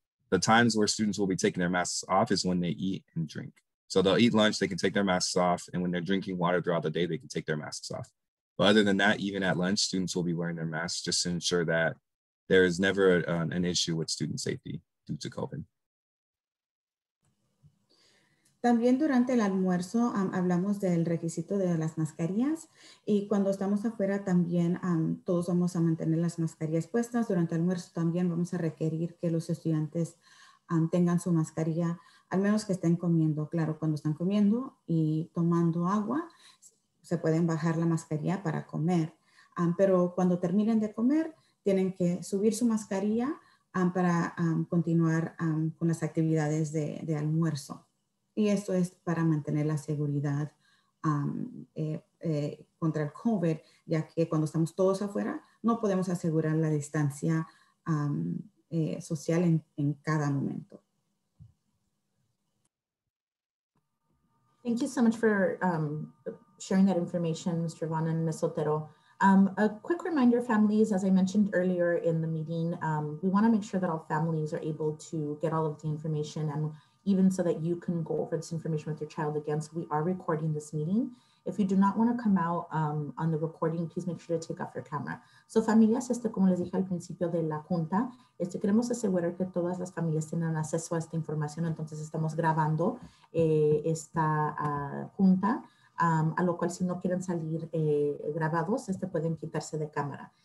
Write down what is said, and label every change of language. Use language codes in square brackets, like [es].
[en] The times where students will be taking their masks off is when they eat and drink. So they'll eat lunch, they can take their masks off, and when they're drinking water throughout the day, they can take their masks off. But other than that, even at lunch, students will be wearing their masks just to ensure that there is never an issue with student safety due to COVID. [es] También durante el almuerzo hablamos del requisito de las mascarillas y cuando estamos afuera también todos vamos a mantener las mascarillas puestas. Durante el almuerzo también vamos a requerir que los estudiantes tengan su mascarilla, al menos que estén comiendo. Claro, cuando están comiendo y tomando agua, se pueden bajar la mascarilla para comer. Pero cuando terminen de comer, tienen que subir su mascarilla para continuar con las actividades de almuerzo. Y esto es para mantener la seguridad contra el COVID, ya que cuando estamos todos afuera, no podemos asegurar la distancia social en cada momento. [en] Thank you so much for sharing that information, Mr. Vaughn and Ms. Otero. A quick reminder, families, as I mentioned earlier in the meeting, we want to make sure that all families are able to get all of the information, and even so that you can go over this information with your child again. So we are recording this meeting. If you do not want to come out on the recording, please make sure to take off your camera. [es] So familias, como les dije al principio de la junta, queremos asegurar que todas las familias tengan acceso a esta información. Entonces estamos grabando esta junta. A lo cual, si no quieren salir grabados, pueden quitarse de cámara.